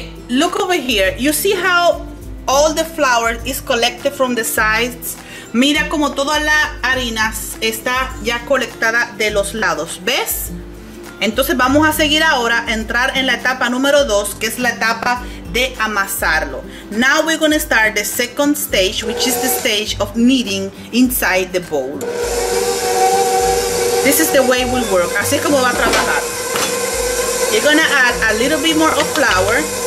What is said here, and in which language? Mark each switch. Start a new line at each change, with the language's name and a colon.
English: Look over here. You see how all the flour is collected from the sides?
Spanish: Mira como toda la harina está ya colectada de los lados. ¿Ves? Entonces vamos a seguir ahora, entrar en la etapa número 2, que es la etapa de amasarlo.
English: Now we're going to start the second stage, which is the stage of kneading inside the bowl. This is the way it will work.
Spanish: Así es como va a trabajar.
English: You're going to add a little bit more of flour.